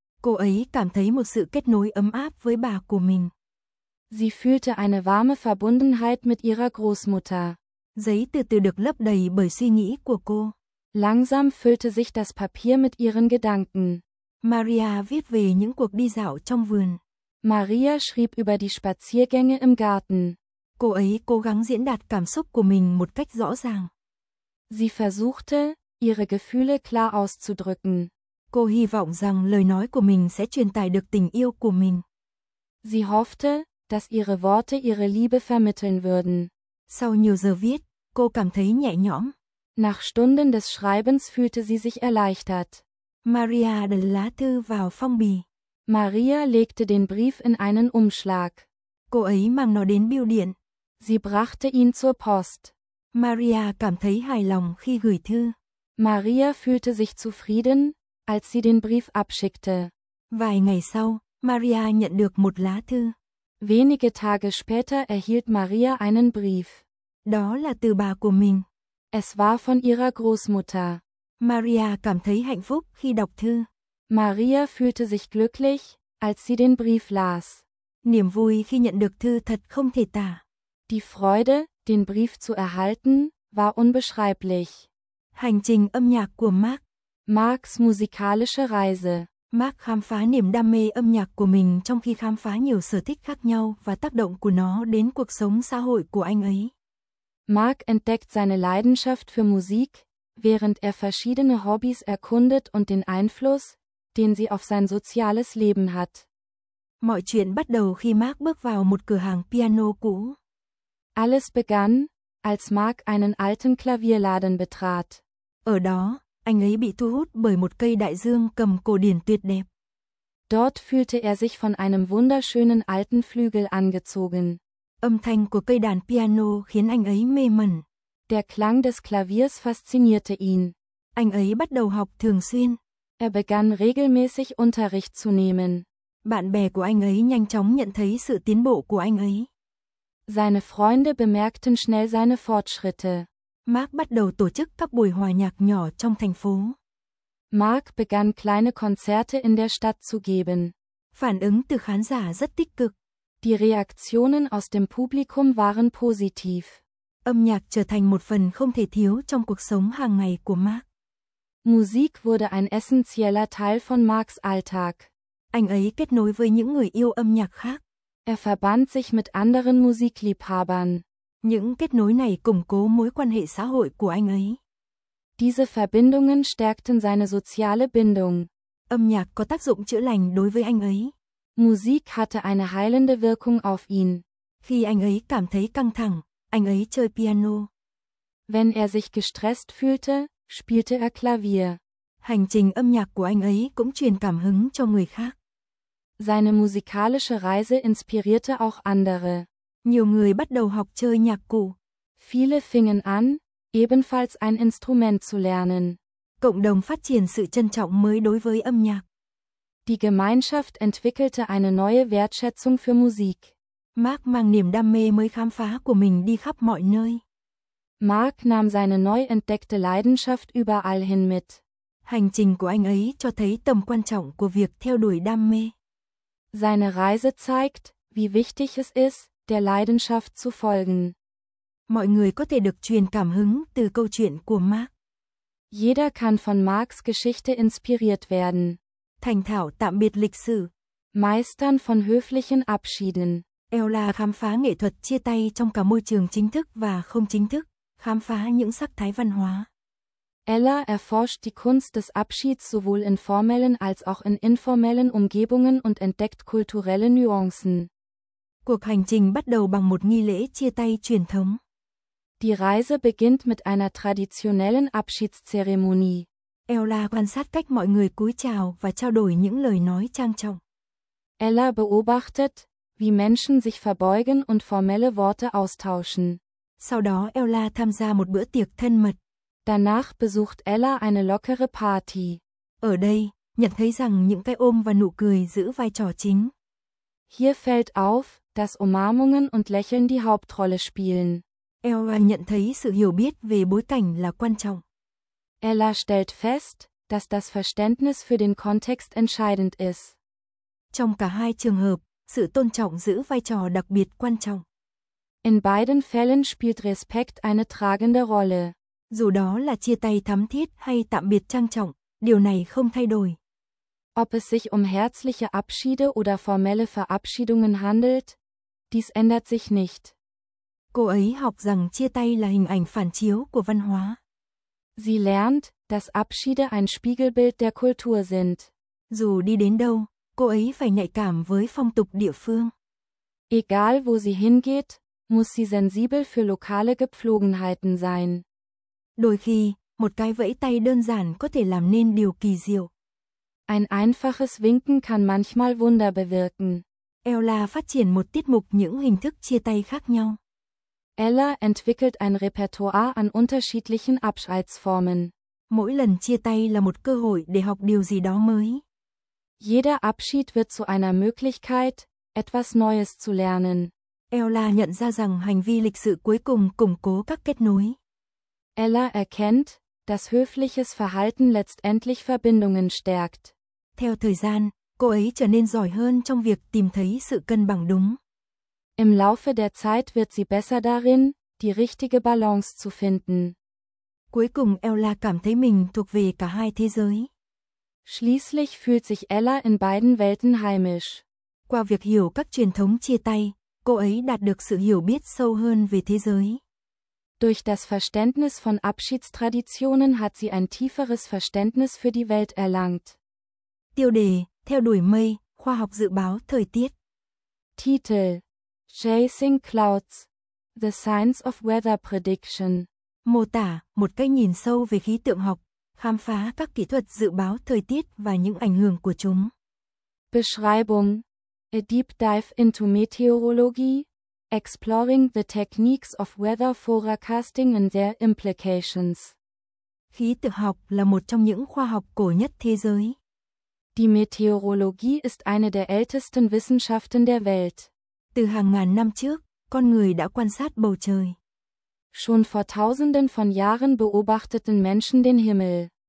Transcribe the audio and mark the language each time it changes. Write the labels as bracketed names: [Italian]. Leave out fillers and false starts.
[Vietnamese] Cô ấy cảm thấy một sự kết nối ấm áp với bà của mình. [German] Sie fühlte eine warme Verbundenheit mit ihrer Großmutter. [Vietnamese] Giấy từ từ được lấp đầy bởi suy nghĩ của cô. [German] Langsam füllte sich das Papier mit ihren Gedanken. [Vietnamese] Maria viết về những cuộc đi dạo trong vườn. [German] Maria schrieb über die Spaziergänge im Garten. [Vietnamese] Cô ấy cố gắng diễn đạt cảm xúc của mình một cách rõ ràng. [German] Sie versuchte, ihre Gefühle klar auszudrücken. [Vietnamese] Cô hy vọng rằng lời nói của mình sẽ truyền tải được tình yêu của mình. [German] Sie hoffte, dass ihre Worte ihre Liebe vermitteln würden. [Vietnamese] Sau nhiều giờ viết, cô cảm thấy nhẹ nhõm. [German] Nach Stunden des Schreibens fühlte sie sich erleichtert. [Vietnamese] Maria đặt lá thư vào phong bì. [German] Maria legte den Brief in einen Umschlag. [Vietnamese] Cô ấy mang nó đến bưu điện. [German] Sie brachte ihn zur Post. [Vietnamese] Maria cảm thấy hài lòng khi gửi thư. [German] Maria fühlte sich zufrieden, als sie den Brief abschickte. [Vietnamese] Vài ngày sau, Maria nhận được một lá thư. [German] Wenige Tage später erhielt Maria einen Brief. [Vietnamese] Đó là từ bà của mình. [German] Es war von ihrer Großmutter. [Vietnamese] Maria cảm thấy hạnh phúc khi đọc thư. [German] Maria fühlte sich glücklich, als sie den Brief las. [Vietnamese] Niềm vui khi nhận được thư thật không thể tả. [German] Die Freude, den Brief zu erhalten, war unbeschreiblich. [Vietnamese] Hành trình âm nhạc của Mark. [German] Marks musikalische Reise. [Vietnamese] Mark khám phá niềm đam mê âm nhạc của mình trong khi khám phá nhiều sở thích khác nhau và tác động của nó đến cuộc sống xã hội của anh ấy. [German] Mark entdeckt seine Leidenschaft für Musik, während er verschiedene Hobbys erkundet und den Einfluss, den sie auf sein soziales Leben hat. [Vietnamese] Mọi chuyện bắt đầu khi Mark bước vào một cửa hàng piano cũ. [German] Alles begann, als Mark einen alten Klavierladen betrat. [Vietnamese] Ở đó, anh ấy bị thu hút bởi một cây đại dương cầm cổ điển tuyệt đẹp. [German] Dort fühlte er sich von einem wunderschönen alten Flügel angezogen. [Vietnamese] Âm thanh của cây đàn piano khiến anh ấy mê mẩn. [German] Der Klang des Klaviers faszinierte ihn. [Vietnamese] Anh ấy bắt đầu học thường xuyên. [German] Er begann regelmäßig Unterricht zu nehmen. [Vietnamese] Bạn bè của anh ấy nhanh chóng nhận thấy sự tiến bộ của anh ấy. [German] Seine Freunde bemerkten schnell seine Fortschritte. [Vietnamese] Mark bắt đầu tổ chức các buổi hòa nhạc nhỏ trong thành phố. [German] Mark begann kleine Konzerte in der Stadt zu geben. [Vietnamese] Phản ứng từ khán giả rất tích cực. [German] Die Reaktionen aus dem Publikum waren positiv. [Vietnamese] Âm nhạc trở thành một phần không thể thiếu trong cuộc sống hàng ngày của Mark. [German] Musik wurde ein essentieller Teil von Marks Alltag. [Vietnamese] Anh ấy kết nối với những người yêu âm nhạc khác. [German] Er verband sich mit anderen Musikliebhabern. [Vietnamese] Những kết nối này củng cố mối quan hệ xã hội của anh ấy. [German] Diese Verbindungen stärkten seine soziale Bindung. [Vietnamese] Âm nhạc có tác dụng chữa lành đối với anh ấy. [German] Musik hatte eine heilende Wirkung auf ihn. [Vietnamese] Khi anh ấy cảm thấy căng thẳng, anh ấy chơi piano. [German] Wenn er sich gestresst fühlte, spielte er Klavier. [Vietnamese] Hành trình âm nhạc của anh ấy cũng truyền cảm hứng cho người khác. [German] Seine musikalische Reise inspirierte auch andere. [Vietnamese] Nhiều người bắt đầu học chơi nhạc cụ. [German] Viele fingen an, ebenfalls ein Instrument zu lernen. [Vietnamese] Cộng đồng phát triển sự trân trọng mới đối với âm nhạc. [German] Die Gemeinschaft entwickelte eine neue Wertschätzung für Musik. [Vietnamese] Mark mang niềm đam mê mới khám phá của mình đi khắp mọi nơi. [German] Mark nahm seine neu entdeckte Leidenschaft überall hin mit. [Vietnamese] Hành trình của anh ấy cho thấy tầm quan trọng của việc theo đuổi đam mê. [German] Seine Reise zeigt, wie wichtig es ist, der Leidenschaft zu folgen. [Vietnamese] Mọi người có thể được truyền cảm hứng từ câu chuyện của Mark. [German] Jeder kann von Marks Geschichte inspiriert werden. [Vietnamese] Thành thạo tạm biệt lịch sử. [German] Meistern von höflichen Abschieden. [Vietnamese] Ella khám phá nghệ thuật chia tay trong cả môi trường chính thức và không chính thức, khám phá những sắc thái văn hóa. [German] Ella erforscht die Kunst des Abschieds sowohl in formellen als auch in informellen Umgebungen und entdeckt kulturelle Nuancen. [Vietnamese] Cuộc hành trình bắt đầu bằng một nghi lễ chia tay truyền thống. [German] Die Reise beginnt mit einer traditionellen Abschiedszeremonie. [Vietnamese] Ella quan sát cách mọi người cúi chào và trao đổi những lời nói trang trọng. [German] Ella beobachtet, wie Menschen sich verbeugen und formelle Worte austauschen. [Vietnamese] Sau đó Ella tham gia một bữa tiệc thân mật. [German] Danach besucht Ella eine lockere Party. [Vietnamese] Ở đây, nhận thấy rằng những cái ôm và nụ cười giữ vai trò chính. [German] Hier fällt auf, dass Umarmungen und Lächeln die Hauptrolle spielen. [Vietnamese] Ella nhận thấy sự hiểu biết về bối cảnh là quan trọng. [German] Ella stellt fest, dass das Verständnis für den Kontext entscheidend ist. [Vietnamese] Trong cả hai trường hợp, sự tôn trọng giữ vai trò đặc biệt quan trọng. [German] In beiden Fällen spielt Respekt eine tragende Rolle. [Vietnamese] Dù đó là chia tay thắm thiết hay tạm biệt trang trọng, điều này không thay đổi. [German] Ob es sich herzliche Abschiede oder formelle Verabschiedungen handelt, dies ändert sich nicht. [Vietnamese] Cô ấy học rằng chia tay là hình ảnh phản chiếu của văn hóa. [German] Sie lernt, dass Abschiede ein Spiegelbild der Kultur sind. [Vietnamese] Dù đi đến đâu, cô ấy phải nhạy cảm với phong tục địa phương. [German] Egal wo sie hingeht, muss sie sensibel für lokale Gepflogenheiten sein. [Vietnamese] Đôi khi, một cái vẫy tay đơn giản có thể làm nên điều kỳ diệu. [German] Ein einfaches Winken kann manchmal Wunder bewirken. [Vietnamese] Ella phát triển một tiết mục những hình thức chia tay khác nhau. [German] Ella entwickelt ein Repertoire an unterschiedlichen Abschiedsformen. [Vietnamese] Mỗi lần chia tay là một cơ hội để học điều gì đó mới. [German] Jeder Abschied wird zu einer Möglichkeit, etwas Neues zu lernen. [Vietnamese] Ella nhận ra rằng hành vi lịch sự cuối cùng củng cố các kết nối. [German] Ella erkennt, dass höfliches Verhalten letztendlich Verbindungen stärkt. [Vietnamese] Theo thời gian, cô ấy trở nên giỏi hơn trong việc tìm thấy sự cân bằng đúng. [German] Im Laufe der Zeit wird sie besser darin, die richtige Balance zu finden. [Vietnamese] Cuối cùng Ella cảm thấy mình thuộc về cả hai thế giới. [German] Schließlich fühlt sich Ella in beiden Welten heimisch. [Vietnamese] Qua việc hiểu các truyền thống chia tay, cô ấy đạt được sự hiểu biết sâu hơn về thế giới. [German] Durch das Verständnis von Abschiedstraditionen hat sie ein tieferes Verständnis für die Welt erlangt. [Vietnamese] Tiêu đề, theo đuổi mây, khoa học dự báo thời tiết. [English] Titel: Chasing Clouds, The Science of Weather Prediction. [Vietnamese] Mô tả, một cái nhìn sâu về khí tượng học, khám phá các kỹ thuật dự báo thời tiết và những ảnh hưởng của chúng. [English] Beschreibung: A deep dive into meteorology, exploring the techniques of weather forecasting and their implications. [Vietnamese] Khí tượng học là một trong những khoa học cổ nhất thế giới. [German] Die Meteorologie ist eine der ältesten Wissenschaften der Welt. [Vietnamese] Từ hàng ngàn năm trước, con người đã quan sát bầu trời. [German] Schon vor tausenden von Jahren beobachteten Menschen den Himmel.